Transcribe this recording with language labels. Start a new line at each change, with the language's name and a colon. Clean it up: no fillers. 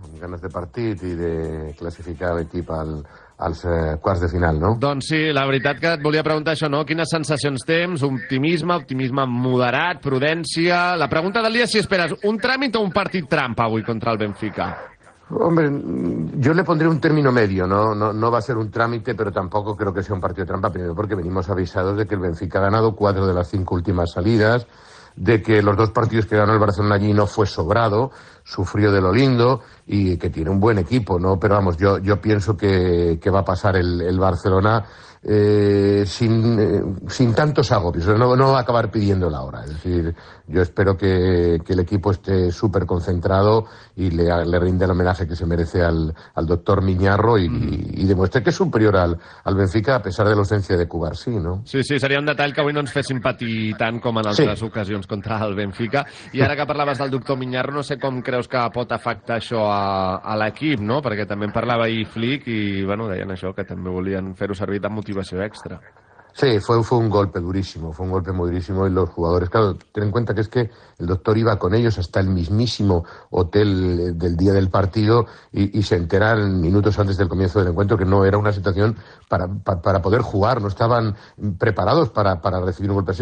Catalan: Amb ganes de partit i de classificar l'equip als quarts de final, no? Doncs sí, la veritat que et volia preguntar això, no? Quines sensacions tens? Optimisme, optimisme moderat, prudència... La pregunta del dia és si esperes un tràmit o un partit trampa avui contra el Benfica.
Spanish: Hombre, yo le pondré un término medio, ¿no? No va a ser un trámite, pero tampoco creo que sea un partido trampa, primero porque venimos avisados de que el Benfica ha ganado 4 de las 5 últimas salidas, de que los dos partidos que ganó el Barcelona allí no fue sobrado, sufrió de lo lindo y que tiene un buen equipo, ¿no? Pero vamos, yo pienso que va a pasar el Barcelona sin tantos agobios, no va a acabar pidiendo la hora. Es decir, yo espero que el equipo esté súper concentrado y le rinde el homenaje que se merece al doctor Miñarro y demuestre que es superior al Benfica a pesar de la ausencia de Cubarsí, ¿no?
Catalan: Sí, sí, seria un detall que avui no ens fessin patir tant com en altres ocasions contra el Benfica. I ara que parlaves del doctor Miñarro, no sé com creus que pot afectar això a l'equip, no? Perquè també en parlava ahir Flick i, bueno, deien això, que també volien fer-ho servir de motivació extra.
Spanish: Sí, fue un golpe durísimo y los jugadores, claro, ten en cuenta que es que el doctor iba con ellos hasta el mismísimo hotel del día del partido y se enteran minutos antes del comienzo del encuentro que no era una situación para poder jugar, no estaban preparados para recibir un golpe así.